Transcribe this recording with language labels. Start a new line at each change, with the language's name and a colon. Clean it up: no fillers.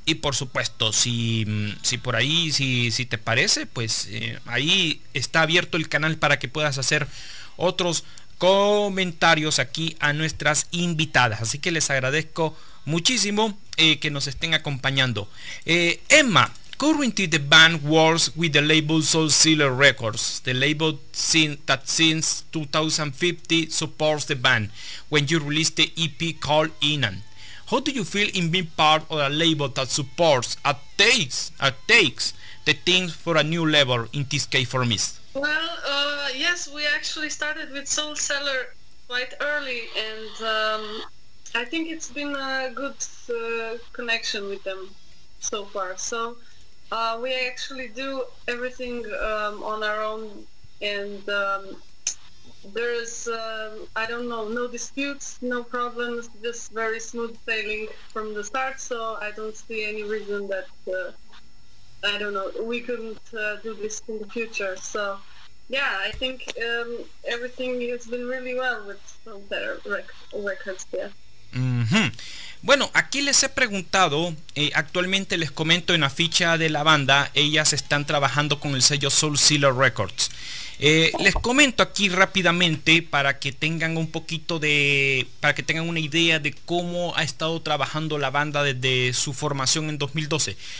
Spanish: Y por supuesto, si te parece, pues ahí está abierto el canal para que puedas hacer otros comentarios aquí a nuestras invitadas. Así que les agradezco muchísimo que nos estén acompañando.
English: Emma, currently the band works with the label Soul Sealer Records, the label since 2015 supports the band when you release the EP called Inan. How do you feel in being part of a label that supports and takes the things for a new level, in this case for Miss? Well, yes, we actually started with Soul Sealer quite early, and I think it's been a good connection with them so far. So we actually do everything on our own, and there's I don't know, no disputes, no problems, just very smooth sailing from the start. So I don't see any reason that I don't know, we couldn't do this in the future. So yeah, I think everything has been really well with some better records. Yeah. Mm-hmm.
Spanish: Bueno, aquí les he preguntado, actualmente les comento, en la ficha de la banda, ellas están trabajando con el sello Soul Sealer Records. Les comento aquí rápidamente para que tengan un poquito de, para que tengan una idea de cómo ha estado trabajando la banda desde su formación en 2012.